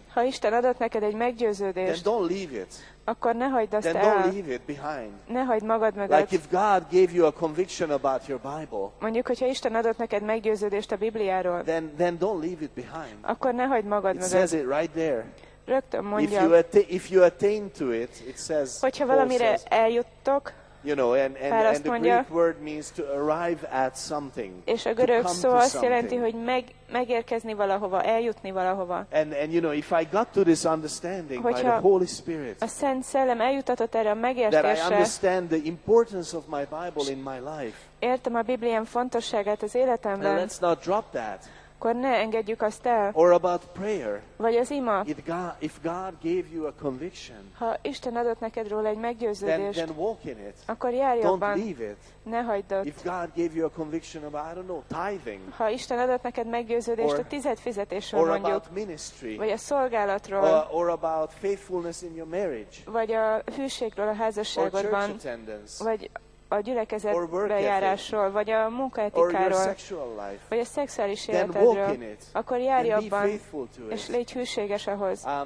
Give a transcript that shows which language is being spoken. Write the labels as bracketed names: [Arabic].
[Hungarian] ha Isten adott neked egy meggyőződést, [English] then don't leave it. [Hungarian] Akkor ne hagyd azt [English] then [Hungarian] el. [English] Don't leave it behind. [Hungarian] Ne hagyd magad mögött. [English] Like if God gave you a conviction about your Bible, [Hungarian] mondjuk, hogyha Isten adott neked meggyőződést a Bibliáról, [English] then don't leave it behind. [Hungarian] Akkor ne hagyd magad [English] it [Hungarian] mögött. [English] Says it right there. [Hungarian] Rögtön mondja. [English] If you attain to it, it says, [Hungarian] hogyha valamire eljuttok, [English] you know, and the [Hungarian] mondja, [English] Greek word means to arrive at something. [Hungarian] És a görög szó [English] to [Hungarian] azt jelenti, hogy megérkezni valahova, eljutni valahova. [English] And you know, if I got to this understanding by the Holy Spirit, [Hungarian] a Szent Szellem eljutatott erre a megértésre, [English] that I understand the importance of my Bible in my life, [Hungarian] értem a Bibliám fontosságát az életemben, [English] let's not drop that. [Hungarian] Akkor ne engedjük azt el. [English] Or about prayer, [Hungarian] vagy az ima. [English] If God gave you a conviction, [Hungarian] ha Isten adott neked róla egy meggyőződést, [English] then walk in it. [Hungarian] Akkor járj [English] Don't [Hungarian] abban. [English] Leave it. [Hungarian] Ne hagyd ott. [English] If God gave you a conviction about, I don't know, tithing, [Hungarian] ha Isten adott neked meggyőződést a tizedfizetésről, [English] or [Hungarian] mondjuk, [English] about ministry, [Hungarian] vagy a szolgálatról, [English] or about faithfulness in your marriage, [Hungarian] vagy a hűségről a házasságodban, [English] or church attendance, [Hungarian] vagy a gyülekezet bejárásról, vagy a munkaetikáról, vagy a szexuális életedről, akkor járj abban, és légy hűséges ahhoz.